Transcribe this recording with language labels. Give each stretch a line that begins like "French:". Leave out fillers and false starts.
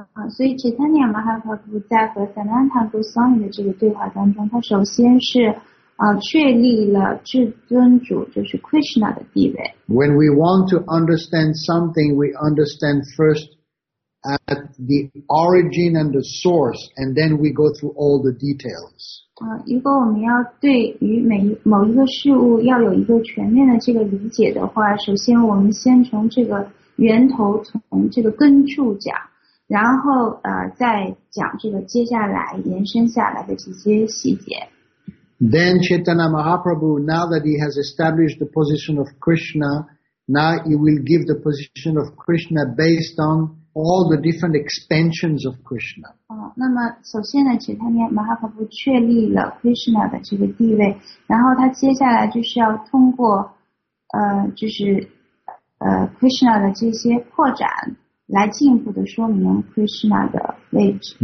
Chinese: 所以 Chaitanya Mahaprabhu 在和 Sanatan Goswami 的这个对话当中，他首先是确立了至尊主就是 Krishna 的地位。
English: When we want to understand something, we understand first at the origin and the source, and then we go through all the details.
Chinese: 如果我们要对于每某一个事物要有一个全面的这个理解的话，首先我们先从这个源头，从这个根处讲，然后再讲这个接下来延伸下来的这些细节。
English: Then Chaitanya Mahaprabhu, now that he has established the position of Krishna, now he will give the position of Krishna based on all the different expansions of Krishna.
Chinese: 那么首先呢，其他呢，马哈帕布确立了 Krishna 的这个地位，然后他接下来就是要通过，就是，Krishna 的这些扩展，来进一步的说明 Krishna 的位置。